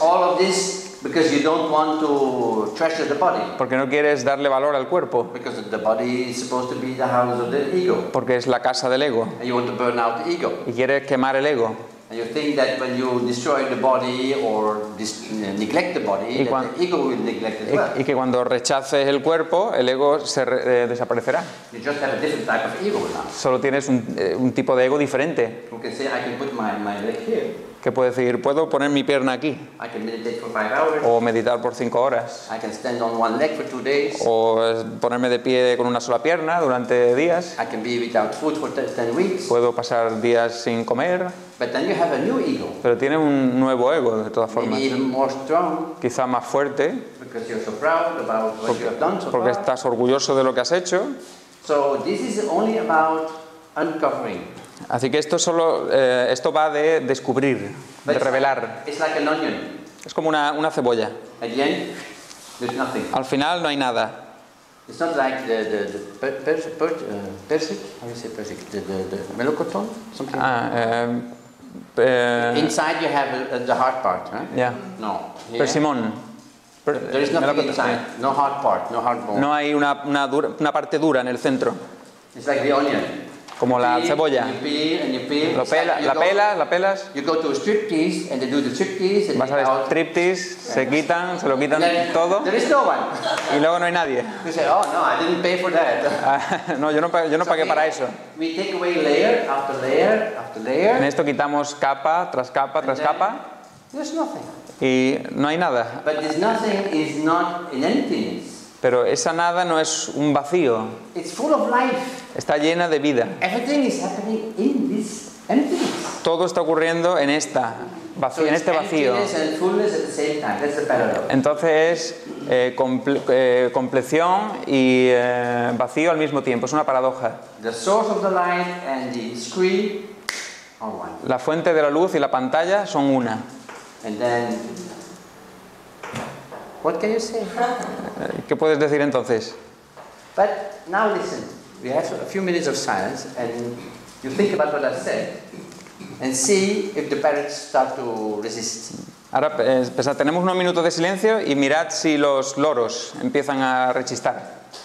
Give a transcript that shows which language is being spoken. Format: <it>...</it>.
<en>All of this because you don't want to treasure the body.</en> <es>Porque no quieres darle valor al cuerpo.</es> <en>Because the body is supposed to be the house of the ego.</en> <es>Porque es la casa del ego.</es> <en>And you want to burn out the ego.</en> <es>Y quieres quemar el ego.</es> <en>And you think that when you destroy the body or neglect the body, the ego will neglect as well.</en> <es>Y que cuando rechaces el cuerpo, el ego se desaparecerá.</es> <en>You just have a different type of ego now.</en> <es>Solo tienes un tipo de ego diferente.</es> <en>You can say, I can put my leg here.</en> <es>Que puedes decir, puedo poner mi pierna aquí.</es> <en>I can meditate for 5 hours.</en> <es>O meditar por 5 horas.</es> <en>I can stand on one leg for 2 days.</en> <es>O ponerme de pie con una sola pierna durante días.</es> <en>I can be without food for 10 weeks.</en> <es>Puedo pasar días sin comer.</es> <en>But then you have a new ego.</en> <es>Pero tiene un nuevo ego, de todas formas.</es> <en>Maybe even more strong.</en> <es>Quizá más fuerte.</es> <en>Because you're so proud about what you have done so far.</en> <es>Porque estás orgulloso de lo que has hecho.</es> <en>So this is only about uncovering.</en> <es>Así que esto solo, esto va de descubrir,</es> <en>but</en> <es>de revelar.</es> <en>It's like an onion.</en> <es>Es como una cebolla.</es> <en>At the end, there's nothing.</en> <es>Al final no hay nada.</es> <en>It's not like the melocotón, something. Inside you have the hard part, right? Yeah.</en> <es>No.</es> <en>Yeah. Persimón. There is nothing inside. No hard part, no hard bone.</en> <es>No hay una parte dura en el centro.</es> <en>It's like the onion.</en> <es>Como</es> <en>you</en> <es>la</es> <en>peel,</en> <es>cebolla.</es> <en>You peel.</en> <es>La pelas.</es> <en>You go to a striptease and they do the striptease.</en> <es>Vas a ver striptease, se quitan, se lo quitan todo.</es> <en>There is no one.</en> <es>Y luego no hay nadie.</es> <en>You say, oh no, I didn't pay for that.</en> <es>yo no pagué para eso.</es> <en>We take away layer after layer after layer.</en> <es>En esto quitamos capa tras capa tras capa.</es> <en>There's nothing.</en> <es>Y no hay nada.</es> <en>But this nothing is not an emptiness.</en> <es>Pero esa nada no es un vacío.</es> <en>It's full of life.</en> <es>Está llena de vida.</es> <en>Everything is happening in this emptiness.</en> <es>Todo está ocurriendo en esta vacío,</es> <en>so</en> <es>en este vacío.</es> <en>And fullness at the same time. That's the paradox.</en> <es>Entonces es compleción y vacío al mismo tiempo. Es una paradoja.</es> <en>The source of the light and the screen are one.</en> <es>La fuente de la luz y la pantalla son una.</es> <en>And then, what can you say?</en> <es>¿Qué puedes decir entonces?</es> <en>But now listen. We have a few minutes of silence, and you think about what I said, and see if the parents start to resist.</en> <es>Ahora, pensad, tenemos unos minutos de silencio y mirad si los loros empiezan a rechistar.</es>